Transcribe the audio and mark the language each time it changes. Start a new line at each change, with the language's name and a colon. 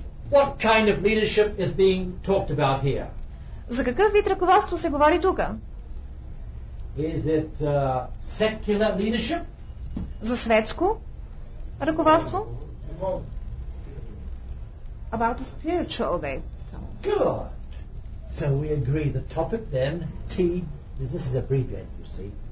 English: What kind of leadership is being talked about here?
Bulgarian: За какъв вид ръководство се говори тук?
English: Is it secular leadership?
Bulgarian: За светско ръководство?
English: About the spiritual day. Good. So we agree the topic then T is this is abbreviated, you see.